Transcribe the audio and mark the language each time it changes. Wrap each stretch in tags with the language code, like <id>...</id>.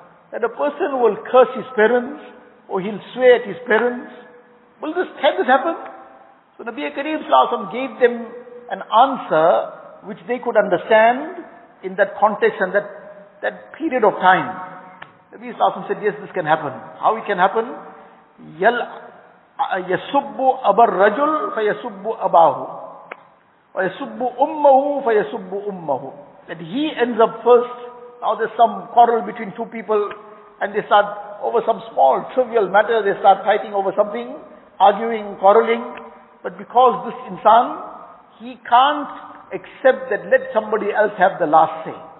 <en>That a person will curse his parents, or he'll swear at his parents. Will this, can this happen? So Nabi Kareem Sallallahu gave them an answer which they could understand in that context and that period of time. Nabi Sallallahu said, yes, this can happen. How it can happen?</en> <ar>يَسُبُّ أَبَ الرَّجُلْ فَيَسُبُّ أَبَاهُ وَيَسُبُّ أُمَّهُ فَيَسُبُّ أُمَّهُ.</ar> <en>That he ends up first, now there's some quarrel between two people, and they start over some small trivial matter, they start fighting over something, arguing, quarreling. But because this insan, he can't accept that let somebody else have the last say.</en>